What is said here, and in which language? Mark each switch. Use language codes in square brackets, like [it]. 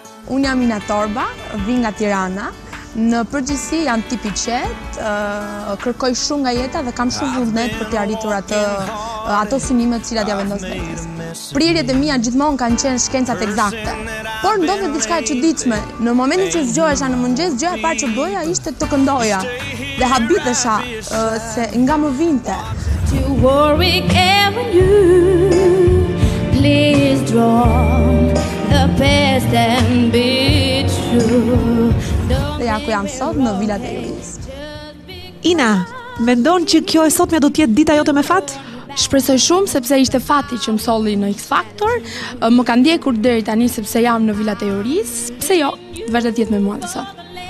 [sq] Unë jam Ina Torba, vim nga Tirana. Në përgjithësi jam tip i qetë, kërkoj shumë nga jeta dhe kam shumë vullnet për të arritur ato synime të cilat ja vendos vetes. Prirjet e mia gjithmonë kanë qenë shkencat eksakte. Por ndodhi diçka e çuditshme. Në momentin që zgjohesha në mëngjes, gjëja e parë që bëja ishte të këndoja. Dhe habitesha se nga më vinte. [en] Warwick Avenue, please draw the past and be true. [sq] Dhe ja ku jam sot në Villat e Juris. Ina, mendon që kjo e sot me do tjetë dita jote me fatë? Shpresoj shumë sepse ishte fati që më solli në X Factor. Më ka ndjekur deri tani sepse jam në Villat e Juris. Pse jo, vazhdo të jetë me mua sot.